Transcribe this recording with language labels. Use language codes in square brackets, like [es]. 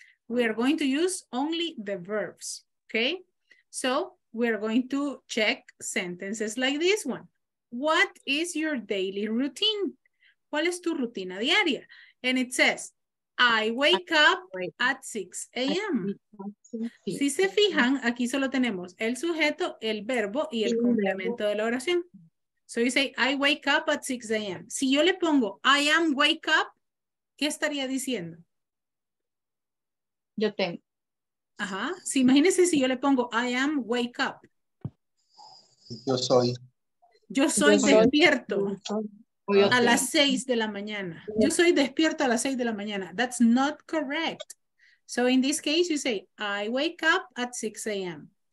[en] We are going to use only the verbs, okay? So we are going to check sentences like this one. What is your daily routine? [es] ¿Cuál es tu rutina diaria? [en] And it says, I wake up at 6 a.m. [es] Si se fijan, aquí solo tenemos el sujeto, el verbo y el complemento de la oración. [en] So you say, I wake up at 6 a.m. [es] Si yo le pongo, [en] I am wake up, [es] ¿qué estaría diciendo? Yo tengo. Ajá. Si imagínense si yo le pongo, [en] I am wake up. [es] Yo soy. Yo soy despierto. A las 6 de la mañana. Yo soy despierto a las 6 de la mañana. [en] That's not correct. So in this case, you say, I wake up at 6 a.m.